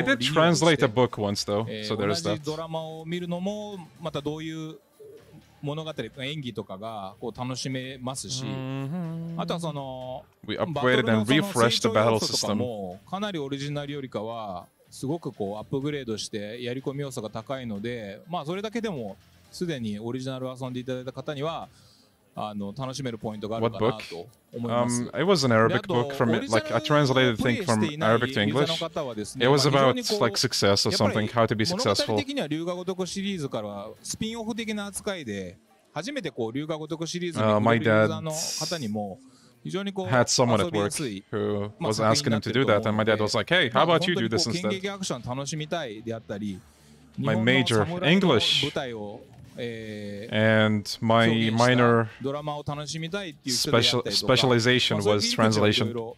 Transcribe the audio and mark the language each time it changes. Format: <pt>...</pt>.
<en>did translate a book once though, so there's that.</en> <ja>ドラマを見るのもまたどういう物語か演技とかがこう楽しめますし、あとはその</ja> <en>We upgraded and refreshed the battle system.</en> <ja>かなりオリジナルよりかはすごくこうアップグレードしてやり込み要素が高いので、まあそれだけでもすでにオリジナルを遊んでいただいた方にはあの楽しめるポイントがあるかなと思います。</ja> <en>It was an Arabic book from like I translated thing from Arabic to English. It was about like success or something, how to be successful.</en> <ja>物語的には龍が如くシリーズからはスピンオフ的な扱いで、初めてこう龍が如くシリーズを見るユーザーの方にも。</ja> <en>Had someone at work who was asking him to do that, and my dad was like, "Hey, how about you do this instead?" My major English, and my minor specialization was translation.</en>